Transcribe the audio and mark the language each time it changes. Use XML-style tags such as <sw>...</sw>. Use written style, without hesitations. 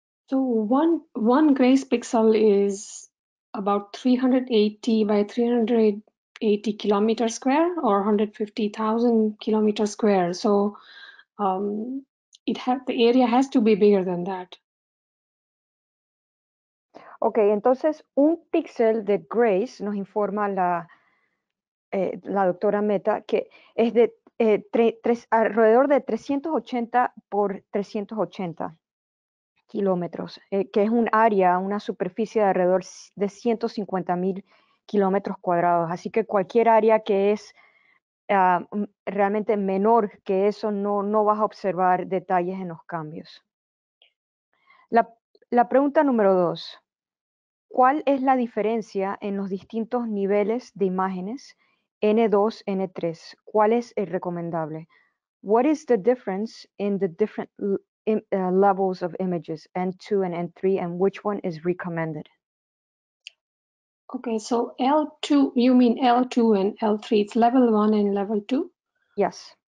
<en>So one Grace pixel is about 380 by 380 kilometer square or 150,000 kilometer square. So the area has to be bigger than that.</en> <es>Ok, entonces un píxel de Grace, nos informa la doctora Mehta, que es de alrededor de 380 por 380 kilómetros, que es un área, una superficie de alrededor de 150,000 kilómetros cuadrados. Así que cualquier área que es realmente menor que eso, no vas a observar detalles en los cambios. La pregunta número dos. ¿Cuál es la diferencia en los distintos niveles de imágenes N2, N3? ¿Cuál es el recomendable?</es> <en>What is the difference in the different levels of images, N2 and N3, and which one is recommended? Okay, so L2, you mean L2 and L3, it's level 1 and level 2? Yes.</en>